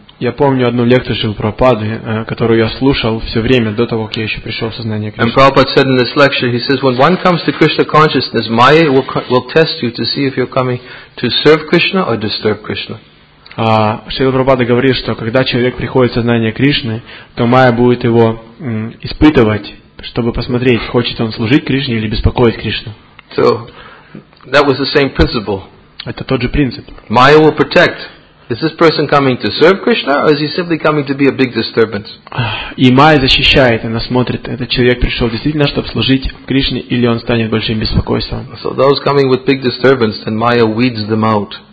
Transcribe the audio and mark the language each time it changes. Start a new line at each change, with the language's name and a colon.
Russian: Я помню одну лекцию Шрилы Прабхупады, которую я слушал все время до того, как я еще пришел в сознание Кришны.
English: And Prabhupada said in this lecture, he says, when one comes to Krishna consciousness, Maya will test you to see if you're coming to serve Krishna or disturb Krishna.
Russian: Шрила Прабхупада говорит, что когда человек приходит в сознание Кришны, то Майя будет его испытывать, чтобы посмотреть, хочет он служить Кришне или беспокоить Кришну.
English: So, that was the same principle.
Russian: Это тот же принцип.
English: Майя will protect. Is this person coming to serve Krishna, or is he simply coming to be a big disturbance?
Russian: И Майя защищает, она смотрит, этот человек пришел действительно, чтобы служить Кришне, или он станет большим беспокойством.
English: So those coming with big disturbance, then Maya weeds them out.